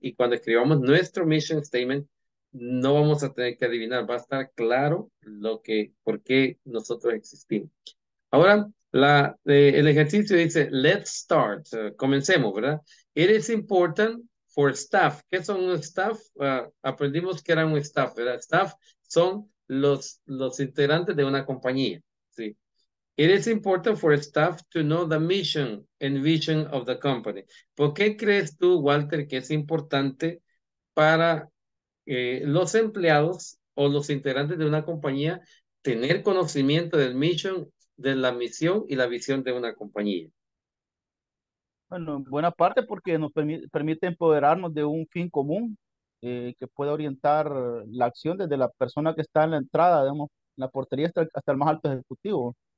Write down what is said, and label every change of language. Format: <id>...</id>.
<es>Y cuando escribamos nuestro mission statement, no vamos a tener que adivinar, va a estar claro lo que, por qué nosotros existimos. Ahora, el ejercicio dice,</es> <en>let's start,</en> <es>comencemos, ¿verdad?</es> <en>It is important for staff.</en> <es>¿Qué son un staff? Aprendimos que era un staff, ¿verdad? Staff son los integrantes de una compañía, ¿sí?</es> <en>It is important for staff to know the mission and vision of the company.</en> <es>¿Por qué crees tú, Walter, que es importante para los empleados o los integrantes de una compañía tener conocimiento del mission, de la misión y la visión de una compañía? Bueno, en buena parte porque nos permite empoderarnos de un fin común que puede orientar la acción desde la persona que está en la entrada, digamos, la portería hasta el más alto ejecutivo.</es>